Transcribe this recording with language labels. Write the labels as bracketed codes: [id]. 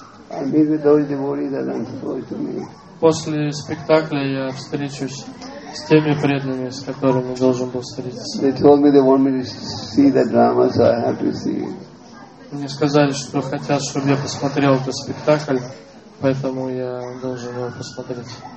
[en] I meet with those devotees that I'm supposed to meet. [ru] После спектакля я встречусь с теми преданными, с которыми должен был встретиться. [en] They told me they want me to see the drama, so I have to see it. [ru] Мне сказали, что хотят, чтобы я посмотрел этот спектакль, поэтому я должен его посмотреть.